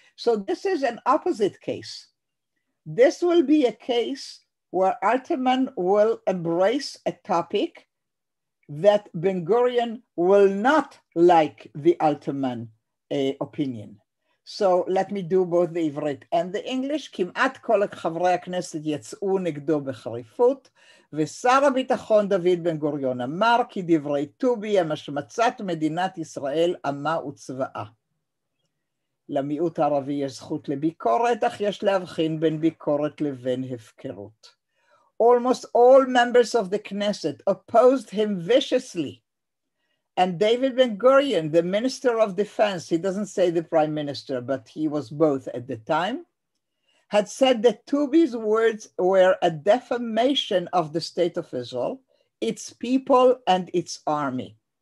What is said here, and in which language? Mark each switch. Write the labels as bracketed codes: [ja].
[en] So this is an opposite case. This will be a case where Alterman will embrace a topic that Ben-Gurion will not like the Alterman opinion. So let me do both the Ivrit and the English. [he] Kim'at kol chavrei ha-knesset yetz'u negdo b'charifut, ושר הביטחון דוד בן גוריון אמר כי דברי טובי הם השמצת מדינת ישראל עמה וצבאה. למיעוט הערבי יש זכות לביקורת, אך יש להבחין בין ביקורת לבין הפקרות. [en] Almost all members of the Knesset opposed him viciously. And David Ben-Gurion, the Minister of Defense, he doesn't say the Prime Minister, but he was both at the time, had said that Tubi's words were a defamation of the State of Israel, its people, and its army.